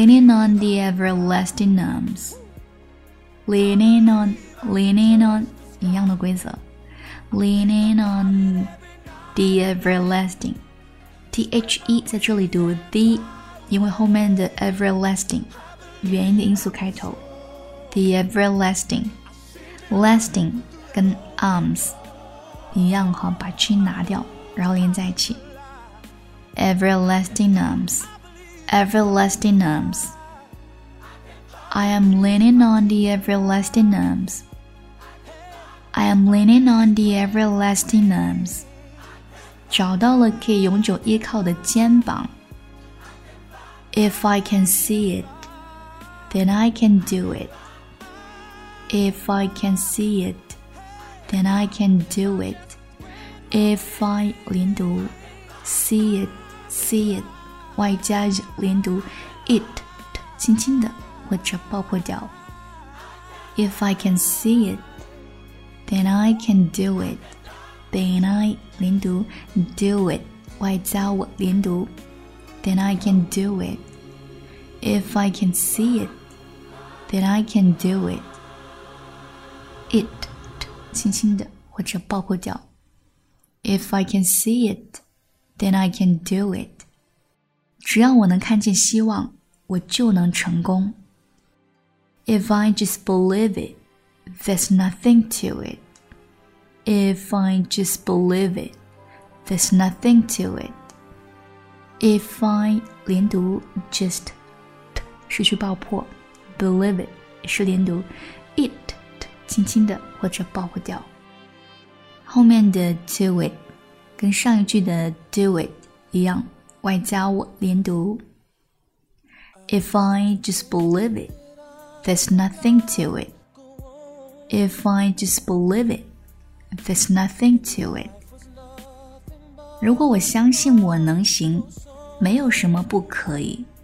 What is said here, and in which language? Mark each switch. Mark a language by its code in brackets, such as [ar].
[en] I'm leaning on the everlasting arms. Leaning on, [zh] 一样的规则。 [en] Leaning on the everlasting. [zh] T-H-E 在这里读 the, 因为后面的 everlasting, 元音的因素开头。 [en] The everlasting. [zh] Lasting 跟 arms 一样哈，把 G 拿掉，然后连在一起。 [en] Everlasting arms. I am leaning on the everlasting arms. [zh] 找到了可以永久依靠的肩膀。 [en] If I can see it, then I can do it. If I can see it, then I can do it. If I [zh] 连读 [en] see it, [zh] 外加连读 it, 轻轻的或者爆破掉。 [en] If I can see it, then I can do it. Then I [zh] 连读 [en] do it, [zh] 外加我连读 [en] then I can do it. If I can see it, then I can do it. [zh] It, 轻轻的或者爆破掉。 [en] If I can see it, then I can do it. [zh] 只要我能看见希望，我就能成功。 [en] If I just believe it, there's nothing to it. If I just believe it, there's nothing to it. If I 连读 just. [zh] 失去爆破 [en] believe it [zh] 是连读 it 轻轻的或者爆破掉后面的 [en] to it [zh] 跟上一句的 [en] do it [zh] 一样外加我连读 [en] If I just believe it there's nothing to it [zh] If I just believe it there's nothing to it 如果我相信我能行没有什么不可以